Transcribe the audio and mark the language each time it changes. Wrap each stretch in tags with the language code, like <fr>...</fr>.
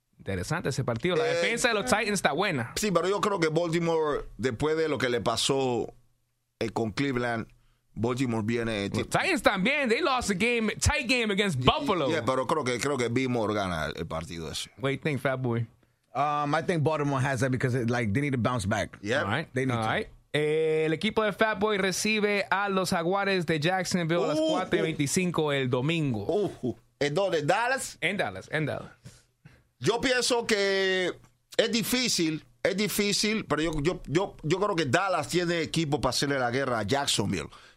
<es>Interesante ese partido. La defensa de los Titans está buena. Sí, pero yo creo que Baltimore, después de lo que le pasó con Cleveland, Baltimore viene.</es> <en>Well, Titans</en> <es>también.</es> <en>They lost a game, tight game against Buffalo.</en> <es>Yeah, pero creo que Baltimore gana el partido ese. What do you think, Fat Boy? I think Baltimore has that because it, like, they need to bounce back. Yeah. All right. They need All to. Right. El equipo de Fat Boy recibe a los Jaguares de Jacksonville a las 4:25 el domingo. ¿En dónde? ¿Dallas? En Dallas. Yo pienso que es difícil, pero yo creo que Dallas tiene equipo para hacerle la guerra a Jacksonville.</es>